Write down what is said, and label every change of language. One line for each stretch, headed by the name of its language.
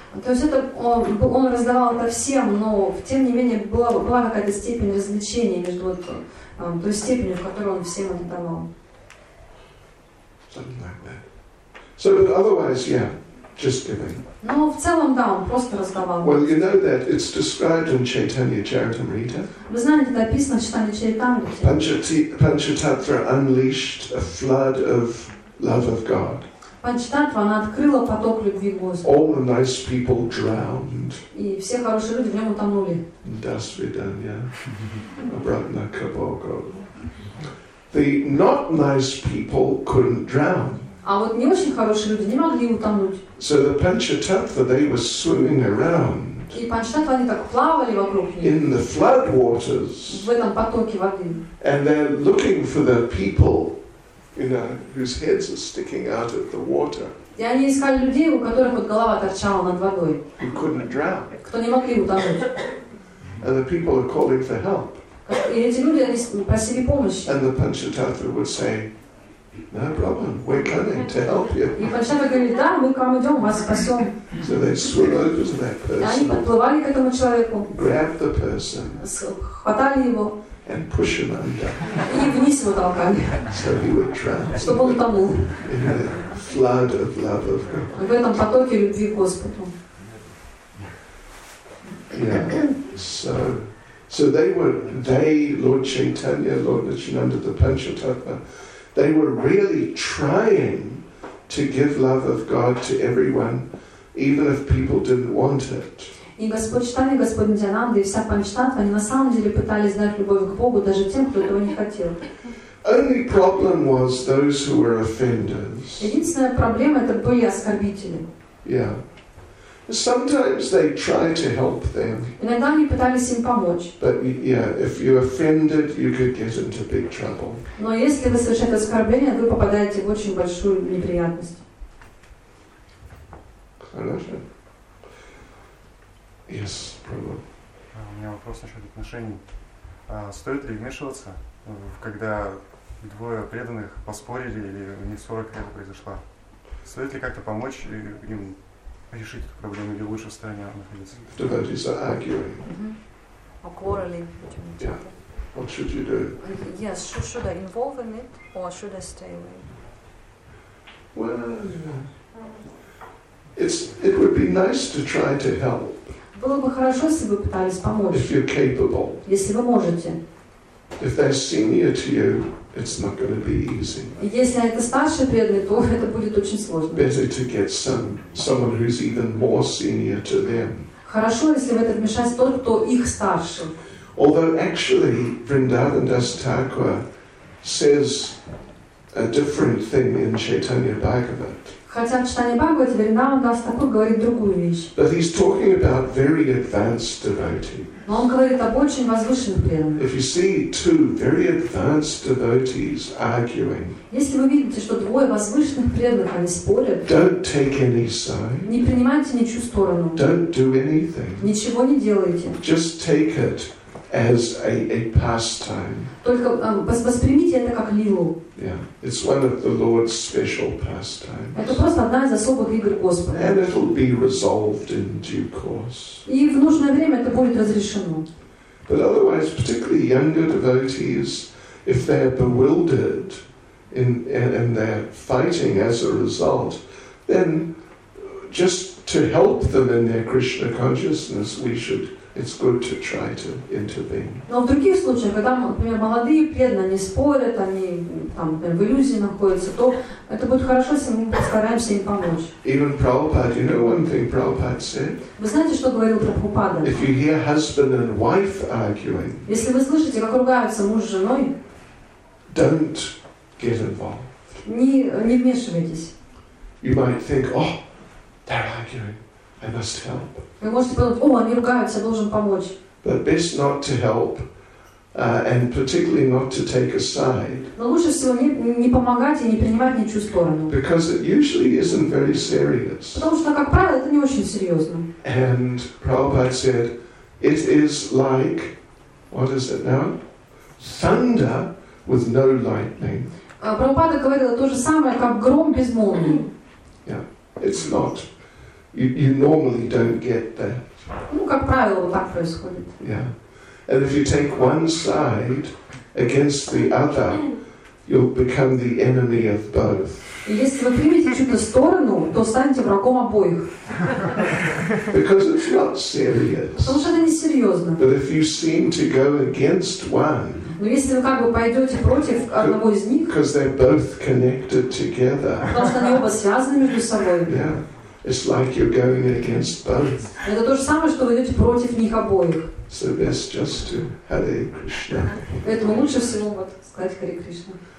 Russian: То есть это он раздавал это всем, но тем не менее была какая-то степень различения между той степенью, в которой он всем это давал.
English: Something like that. So otherwise, yeah. Just giving.
Russian: Ну, в целом, да, он просто раздавал.
English: Well, you know that it's described in Chaitanya Charitamrita.
Russian: Вы знаете, это описано в Читании Чайтанья.
English: Панчататра unleashed a flood of love of God.
Russian: Панчататра, она открыла поток любви Господа.
English: All the nice people drowned.
Russian: И все хорошие люди в нем утонули. До свидания. Обратно к Богу.
English: The not nice people couldn't drown.
Russian: А вот не очень хорошие люди не могли утонуть.
English: So the Panchatattva, they were swimming around.
Russian: И Панчататва, они так плавали вокруг них.
English: In the flood waters.
Russian: В этом потоке воды.
English: And they're looking for the people you know, whose heads are sticking out of the water.
Russian: И они искали людей, у которых вот голова торчала над водой.
English: Who couldn't drown.
Russian: Кто не мог утонуть.
English: And the people are calling for help.
Russian: И эти люди, они просили помощи.
English: And the Panchatantra would say, no problem, we're coming to help you.
Russian: И Панчатантра говорит, да, мы к вам идем, вас спасем.
English: So they swim over to that person.
Russian: И они подплывали к этому человеку.
English: Grab the person.
Russian: Хватали его.
English: And push him under.
Russian: И вниз его толкали.
English: So he would drown.
Russian: Чтобы он утонул.
English: In the flood of love of God.
Russian: В этом потоке любви к Господу.
English: Yeah. So they were, they, Lord Chaitanya, Lord Nityananda, the Panchatattva, they were really trying to give love of God to everyone, even if people didn't want it.
Russian: И Господь Читания, Господь Нитянанда и вся Панчататтва, они на самом деле пытались дать любовь к Богу даже тем, кто этого не хотел.
English: Only problem was those who were offenders.
Russian: Единственная проблема это были оскорбители.
English: Yeah. Sometimes they try to help them.
Russian: Иногда они пытались им помочь.
English: But yeah, if you offended, you could get into big trouble.
Russian: Но если вы совершаете оскорбление, вы попадаете в очень большую неприятность. Хорошо.
English: Yes, problem.
Russian: У меня вопрос насчет отношений. Стоит ли вмешиваться, когда двое преданных поспорили или у них ссора какая-то произошла? Стоит ли как-то помочь им? Решить эту проблему или лучше в стороне находиться.
English: Devotees are arguing. Mm-hmm. Or quarreling. Yeah. What should you do? Yes, should I involve in it or should I stay away? Well, yeah. It would be nice to try to help.
Russian: Было бы хорошо, если бы пытались помочь.
English: If you're capable.
Russian: Если вы можете.
English: If they're senior to you, it's not going to be easy.
Russian: Если это старший преданный, то это будет очень сложно.
English: Better to get someone who's even more senior to them.
Russian: Хорошо, если в это вмешается тот, кто их старше.
English: Although actually, Vrindavan Das Thakur says a different thing in Chaitanya Bhagavat.
Russian: Хотя в Читании Бхагавате Вриндаван Дас Такур говорит другую вещь.
English: But he's talking about very advanced devotees.
Russian: Но он говорит об очень возвышенных преданных.
English: If you see two very advanced devotees arguing,
Russian: если вы видите, что двое возвышенных преданных они спорят,
English: don't take any side,
Russian: не принимайте ничью сторону,
English: don't do anything,
Russian: ничего не делайте,
English: just take it as a pastime.
Russian: Только воспримите это как лилу.
English: Yeah, it's one of the Lord's special pastimes.
Russian: Это просто одна из особых игр Господа.
English: And it will be resolved in due course.
Russian: И в нужное время это будет разрешено.
English: But otherwise, particularly younger devotees, if they are bewildered and they're fighting as a result, then just to help them in their Krishna consciousness, we should. It's good to try to intervene.
Russian: Но в других случаях, когда, например, молодые преданные, они спорят, они там в иллюзии находятся, то это будет хорошо, если мы постараемся им помочь.
English: Even Prabhupada, you know one thing Prabhupada said?
Russian: Вы знаете, что говорил Прабхупада?
English: If you hear husband and wife arguing,
Russian: если вы слышите, как ругаются муж с женой,
English: don't get involved.
Russian: Не вмешивайтесь.
English: You might think, oh, they're arguing. I must help.
Russian: Вы можете подумать, о, они ругаются, я должен помочь.
English: But best not to help, and particularly not to take a side.
Russian: Но лучше всего не помогать и не принимать ничью сторону.
English: Because it usually isn't very serious.
Russian: Потому что, как правило, это не очень серьезно.
English: And Prabhupada said, it is like, what is it now? Thunder with no lightning.
Russian: Прабхупада говорил то же самое, как гром без молнии.
English: Yeah, it's not. You normally don't get that.
Russian: Ну, как правило, так происходит.
English: Yeah. And if you take one side against the other, you'll become the enemy of both.
Russian: Если вы примете чью-то сторону, то станете врагом обоих.
English: Because it's not serious.
Russian: Потому что это не серьезно.
English: But if you seem to go against one,
Russian: но если вы как бы пойдете против одного из них,
English: because they're both connected together,
Russian: потому что они оба связаны между собой.
English: Yeah. It's like you're going against both.
Russian: Это то же самое, что вы идете против них обоих.
English: So best just to Hare Krishna.
Russian: Поэтому лучше всего вот сказать Hare Krishna.